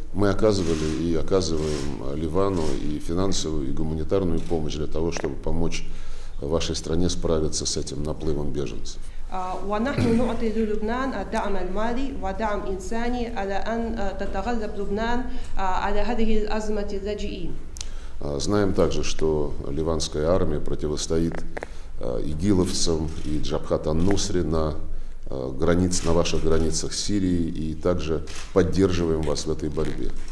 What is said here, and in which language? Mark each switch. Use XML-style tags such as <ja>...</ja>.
<ru>Мы оказывали и оказываем Ливану и финансовую, и гуманитарную помощь для того, чтобы помочь вашей стране справиться с этим наплывом беженцев.</ru> <ar>ونحن نعطي للبنان الدعم المالي ودعم إنساني على أن تتغلب لبنان على هذه الأزمة اللاجئين.</ar> <ru>Знаем также, что ливанская армия противостоит игиловцам и Джабхат ан-Нусри на ваших границах Сирии и также поддерживаем вас в этой борьбе.</ru>